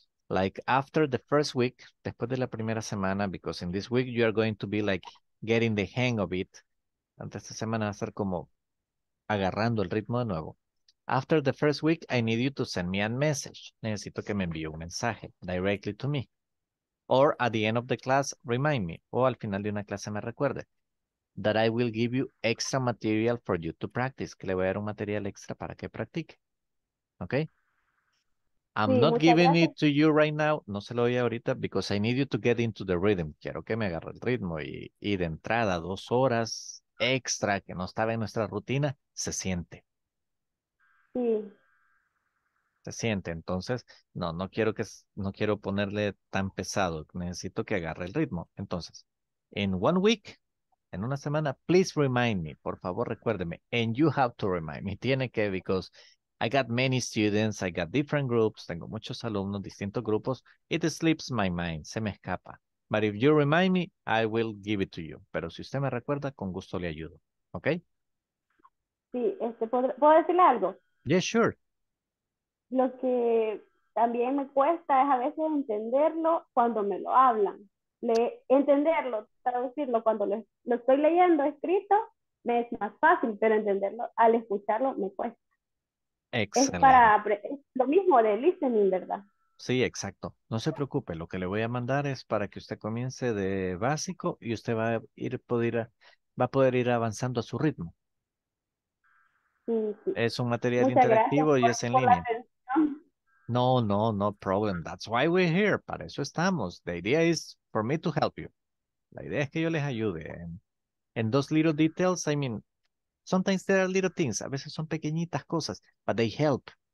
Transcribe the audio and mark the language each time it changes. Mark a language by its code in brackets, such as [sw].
[en] Like after the first week, [es] después de la primera semana, [en] because in this week you are going to be like getting the hang of it. [es] Antes de esta semana va a ser como agarrando el ritmo de nuevo. [en] After the first week, I need you to send me a message. [es] Necesito que me envíe un mensaje [en] directly to me. Or at the end of the class, remind me. [es] O al final de una clase me recuerde. [en] That I will give you extra material for you to practice. [es] Que le voy a dar un material extra para que practique. [en] Okay? I'm sí, not giving gracias. It to you right now. [es] No se lo doy ahorita [en] because I need you to get into the rhythm. [es] Quiero que me agarre el ritmo y de entrada 2 horas extra que no estaba en nuestra rutina, se siente. Sí. Se siente. Entonces, no quiero ponerle tan pesado. Necesito que agarre el ritmo. Entonces, [en] in 1 week, [es] en una semana, [en] please remind me. [es] Por favor, recuérdeme. [en] And you have to remind me. [es] Tiene que, [en] because I got many students, I got different groups, [es] tengo muchos alumnos, distintos grupos. [en] It slips my mind, [es] se me escapa. [en] But if you remind me, I will give it to you. [es] Pero si usted me recuerda, con gusto le ayudo. ¿Ok? Sí, ¿puedo decirle algo? [en] Yeah, sure. [es] Lo que también me cuesta es a veces entenderlo cuando me lo hablan. Entenderlo, traducirlo cuando lo estoy leyendo escrito, me es más fácil, pero entenderlo al escucharlo me cuesta. Excelente. Es lo mismo de listening, ¿verdad? Sí, exacto. No se preocupe, lo que le voy a mandar es para que usted comience de básico y usted va a poder ir avanzando a su ritmo. Sí, sí. Es un material muchas interactivo y es en línea. [en] No problem. That's why we're here. [es] Para eso estamos. [en] The idea is for me to help you. [es] La idea es que yo les ayude. [en] En those little details, I mean, sometimes there are little things, [es] a veces son pequeñitas cosas, [en] but they help.